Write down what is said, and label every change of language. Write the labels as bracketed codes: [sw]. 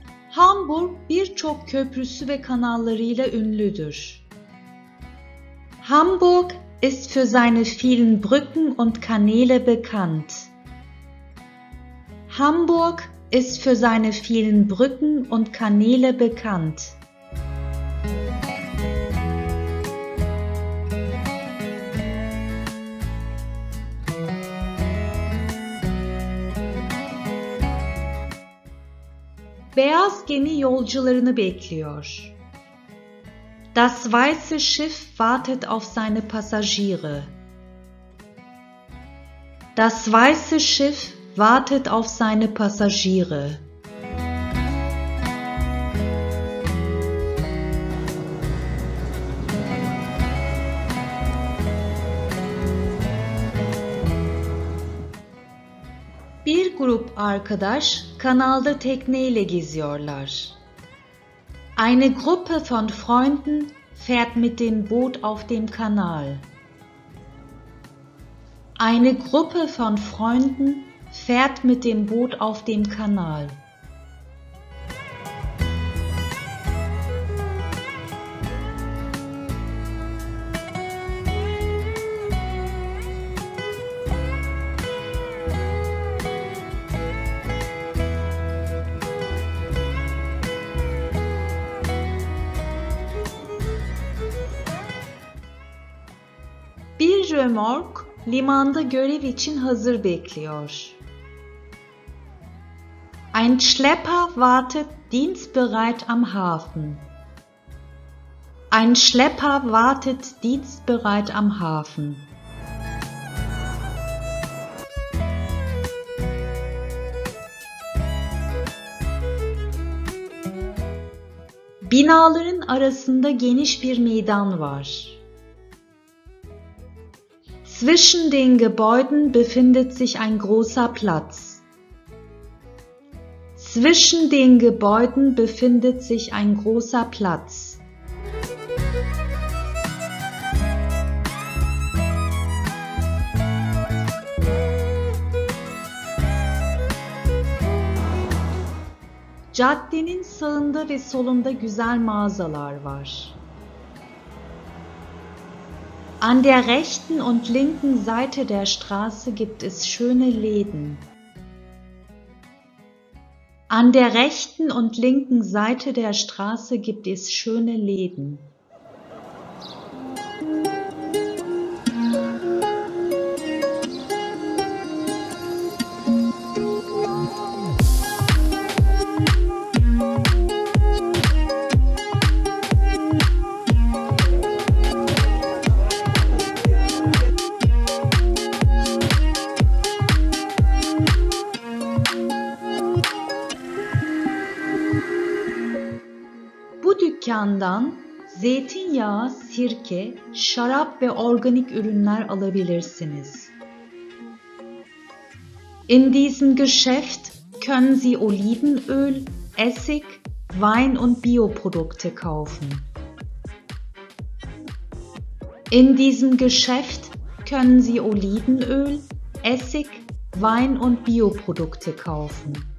[tr] Hamburg birçok köprüsü ve kanallarıyla ünlüdür. [de] Hamburg ist für seine vielen Brücken und Kanäle bekannt. Hamburg ist für seine vielen Brücken und Kanäle bekannt. [tr] Beyaz gemi yolcularını bekliyor. [de] Das weiße Schiff wartet auf seine Passagiere. Das weiße Schiff wartet auf seine Passagiere. [tr] Bir grup arkadaş kanalda tekneyle geziyorlar. [de] Eine Gruppe von Freunden fährt mit dem Boot auf dem Kanal. Eine Gruppe von Freunden fährt mit dem Boot auf dem Kanal. [tr] Bir römork limanda görev için hazır bekliyor. [de] Ein Schlepper wartet dienstbereit am Hafen. Ein Schlepper wartet dienstbereit am Hafen. [tr] Binaların arasında geniş bir meydan var. [de] Zwischen den Gebäuden befindet sich ein großer Platz. Zwischen den Gebäuden befindet sich ein großer Platz. [tr] Caddenin sağında ve solunda güzel mağazalar var. [de] An der rechten und linken Seite der Straße gibt es schöne Läden. An der rechten und linken Seite der Straße gibt es schöne Läden. [tr] Dükkandan zeytinyağı, sirke, şarap ve organik ürünler alabilirsiniz. [de] In diesem Geschäft können Sie Olivenöl, Essig, Wein und Bioprodukte kaufen. In diesem Geschäft können Sie Olivenöl, Essig, Wein und Bioprodukte kaufen.